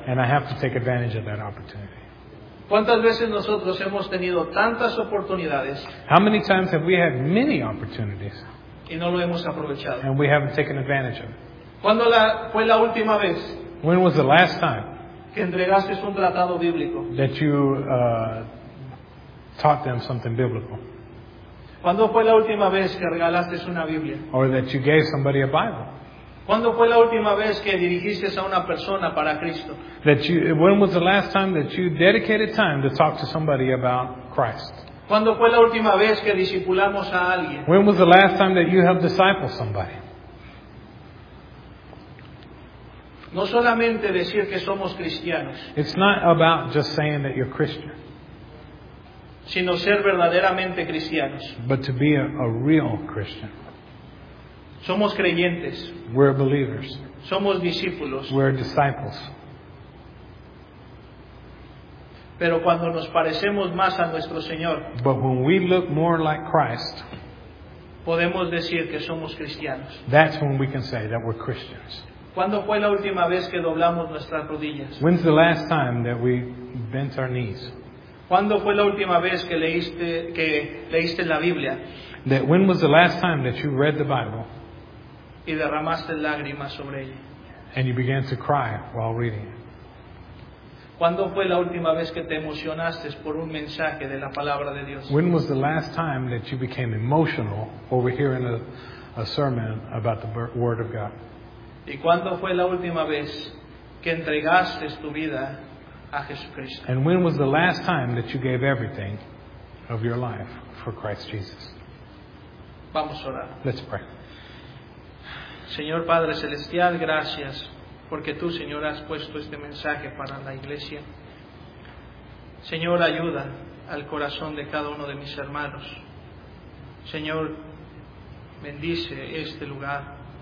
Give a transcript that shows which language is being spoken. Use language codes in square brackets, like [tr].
[en] And I have to take advantage of that opportunity. [es] ¿Cuántas veces nosotros hemos tenido tantas oportunidades? [en] How many times have we had many opportunities? [es] Y no lo hemos aprovechado. [en] And we haven't taken advantage of it. [es] ¿Cuándo fue la última vez? [en] When was the last time? [es] Que entregaste un tratado bíblico. [en] That you taught them something biblical. [es] ¿Cuándo fue la última vez que regalaste una Biblia? [en] Or that you gave somebody a Bible. [es] ¿Cuándo fue la última vez que dirigiste a una persona para Cristo? [en] When was the last time that you dedicated time to talk to somebody about Christ? [es] ¿Cuándo fue la última vez que discipulamos a alguien? [en] When was the last time that you have discipled somebody? [es] No solamente decir que somos cristianos. [en] It's not about just saying that you're Christian. [es] Sino ser verdaderamente cristianos. [en] But to be a real Christian. [es] Somos creyentes. [en] We're believers. [es] Somos discípulos. [en] We're disciples. [es] Pero cuando nos parecemos más a nuestro Señor, [en] but when we look more like Christ, [es] podemos decir que somos cristianos. [en] That's when we can say that we're Christians. [es] ¿Cuándo fue la última vez que doblamos nuestras rodillas? [en] When's the last time that we bent our knees? [es] ¿Cuándo fue la última vez que leíste la Biblia? [en] That when was the last time that you read the Bible? [es] Y derramaste lágrimas sobre ella. [en] And you began to cry while reading. [es] ¿Cuándo fue la última vez que te emocionaste por un mensaje de la palabra de Dios? [en] When was the last time that you became emotional over hearing a sermon about the Word of God? [es] ¿Y cuándo fue la última vez que entregaste tu vida a Jesucristo? [en] And when was the last time that you gave everything of your life for Christ Jesus? [es] Vamos a orar. [en] Let's pray. [es] Señor Padre Celestial, gracias porque tú, Señor, has puesto este mensaje para la iglesia. Señor, ayuda al corazón de cada uno de mis hermanos. Señor, bendice este lugar.